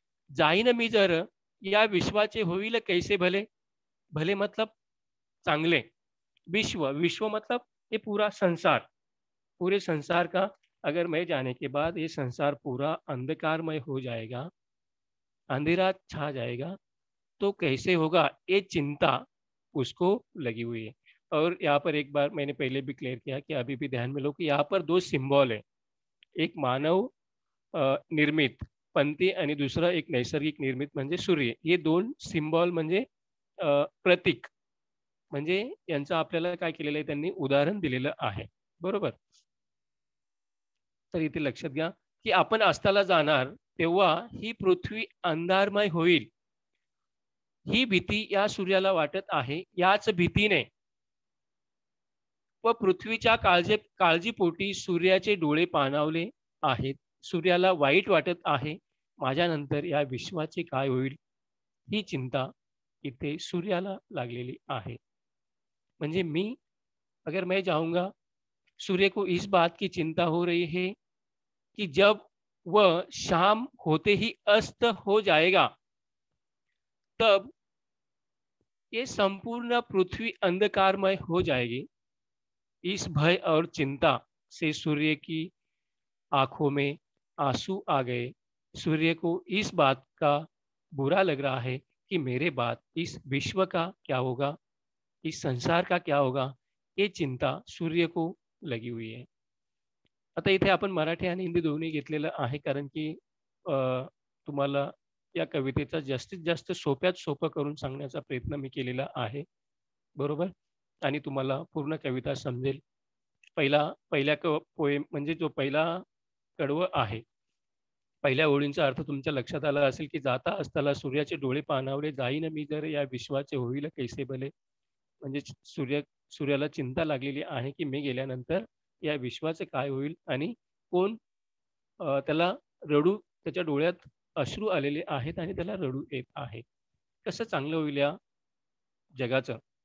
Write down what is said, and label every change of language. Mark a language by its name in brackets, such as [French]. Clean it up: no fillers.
[Marathi] जाईन मी जर या विश्वाचे होईल कैसे भले, [Hindi] भले मतलब चांगले, विश्व विश्व मतलब ये पूरा संसार, पूरे संसार का अगर मैं जाने के बाद ये संसार पूरा अंधकारमय हो जाएगा, अंधेरा छा जाएगा, तो कैसे होगा, ये चिंता उसको लगी हुई है। और यहाँ पर एक बार मैंने पहले भी क्लियर किया कि अभी भी ध्यान में लो कि यहाँ पर दो सिंबॉल है, एक मानव निर्मित पंती [Marathi] आणि दुसरा एक नैसर्गिक निर्मित म्हणजे सूर्य, हे दोन सिंबॉल म्हणजे प्रतीक, म्हणजे यांचं आपल्याला काय केलेलं आहे, त्यांनी उदाहरण दिलेलं आहे, बरोबर। तर इथे लक्षात घ्या की आपण अस्ताला जाणार तेव्हा ही पृथ्वी अंधारमय होईल, ही भीती या सूर्याला वाटत आहे, याच भीतीने व पृथ्वीच्या काळजीपोटी सूर्याचे डोळे पानावले आहेत, सूर्याला वाईट वाटत आहे माझ्यानंतर या विश्वाचे काय होईल, ही चिंता इथे सूर्याला लागलेली आहे। [Hindi] म्हणजे मी अगर मैं जाऊंगा, सूर्य को इस बात की चिंता हो रही है कि जब वह शाम होते ही अस्त हो जाएगा, तब ये संपूर्ण पृथ्वी अंधकारमय हो जाएगी इस भय और चिंता से। सूर्य की आंखों में आंसू आ गए। सूर्य को इस बात का बुरा लग रहा है कि मेरे बाद इस विश्व का क्या होगा, इस संसार का क्या होगा, ये चिंता सूर्य को लगी हुई है। [Marathi] आता इथे आपण मराठी आणि हिंदी दोन्ही घेतलेलं आहे, कारण की तुम्हाला या कवितेचा जास्तीत जास्त सोप्यात सोपं करून सांगण्याचा प्रयत्न मी केलेला आहे, बरोबर, आणि तुम्हाला पूर्ण कविता समजेल। पहिला पोएम म्हणजे जो पहिला कडवं आहे, पहिल्या ओळींचा अर्थ तुमच्या लक्षात आला असेल की जाता असताना सूर्याचे डोळे पानावले, जाईन मी जर या विश्वाचे होईल कैसे भले, म्हणजे सूर्याला चिंता लागलेली आहे की मी गेल्यानंतर या विश्वाचं काय होईल आणि कोण त्याला रडू, त्याच्या डोळ्यात अश्रू आलेले आहेत आणि त्याला रडू येत आहे, कसं चांगलं होईल या जगाचं।